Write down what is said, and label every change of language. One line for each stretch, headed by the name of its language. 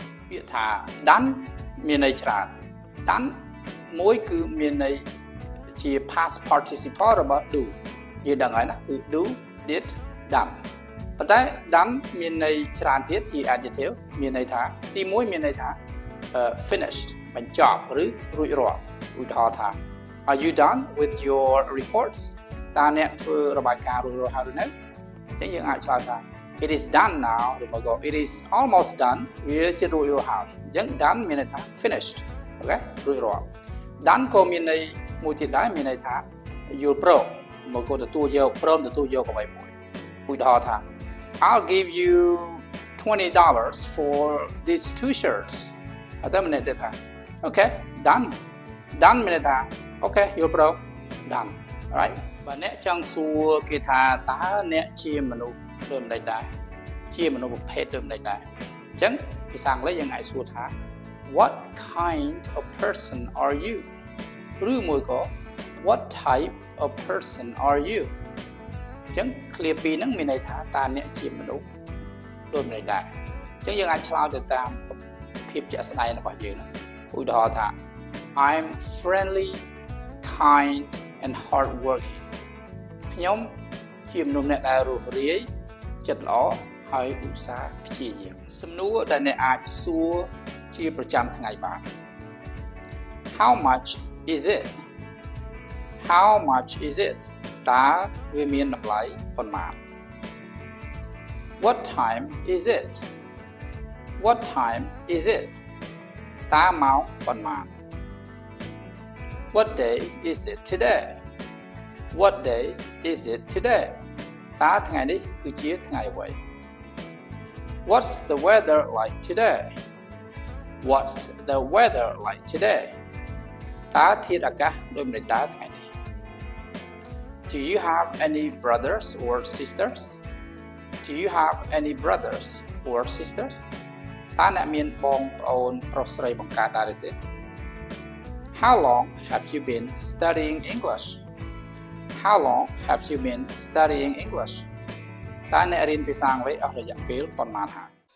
Khmer: ពាក្យថា done មានន័យច្រើន. Done មួយគឺមានន័យជា past participle របស់ do. យើងដឹងហើយណា គឺ do, did, done. ប៉ុន្តែ done មានន័យច្រើនទៀតជា adjective មានន័យថាទី1មានន័យថា finished បញ្ចប់ឬរួចរាល់ឧទាហរណ៍ថា
English: Are you done with your reports?
Khmer: តើអ្នកធ្វើរបាយការណ៍រួចរាល់ហើយឬនៅ? អញ្ចឹងយើងអាចឆ្លើយថា
English: It is done now
Khmer: ឬមកក៏
English: It is almost done
Khmer: វាជារួចរាល់ហើយអញ្ចឹង done មានន័យថា finished អូខេរួចរាល់ done ក៏មានន័យមួយទៀតដែរមានន័យថាយល់ព្រមមកក៏ទទួលយកព្រមទទួលយកអ្វីមួយឧទាហរណ៍ថា
English: I'll give you $20 for these two shirts.
Khmer: អត់មានទេថា.
English: Okay, done. Done
Khmer: មានថា.
English: Okay,
Khmer: យល់ប្រក.
English: Done. All right.
Khmer: បើអ្នកចង់សួរគេថាតើអ្នកជាមនុស្សដូចម្ដេចដែរ? ជាមនុស្សប្រភេទដូចម្ដេចដែរ?អញ្ចឹងភាសាអង់គ្លេសយើងអាចសួរថា
English: What kind of person are you?
Khmer: ឬមួយក៏
English: What type of person are you?
Khmer: អញ្ចឹងឃ្លា2ហ្នឹងមានន័យថាតើអ្នកជាមនុស្សដូចម្ដេចដែរអញ្ចឹងយើងអាចឆ្លើយទៅតាមភាពជាក់ស្ដែងរបស់យើងឧទាហរណ៍ថា
English: I'm friendly kind and hard working
Khmer: ខ្ញុំជាមនុស្សអ្នកដែលរួសរាយចិត្តល្អហើយឧស្សាហ៍ព្យាយាមសំណួរដែលអ្នកអាចសួរជាប្រចាំថ្ងៃបាន
English: How much is it? How much is it?
Khmer: តើវាមានតម្លៃប៉ុន្មាន
English: What time is it? What time is it?
Khmer: តើម៉ោងប៉ុន្មាន
English: What day is it today? What day is it today?
Khmer: តើថ្ងៃនេះគឺជាថ្ងៃអ្វី
English: What's the weather like today? What's the weather like today?
Khmer: តើធាតុអាកាសដូចម្ដេចដែរថ្ងៃនេះ
English: Do you have any brothers or sisters? Do you have any brothers or sisters?
Khmer: តើអ្នកមានបងប្អូនប្រុសស្រីបង្កើតដែរទេ?
English: How long have you been studying English? How long have you been studying English?
Khmer: តើអ្នករៀនភាសាអង់គ្លេសអស់រយៈពេលប៉ុន្មានហើយ?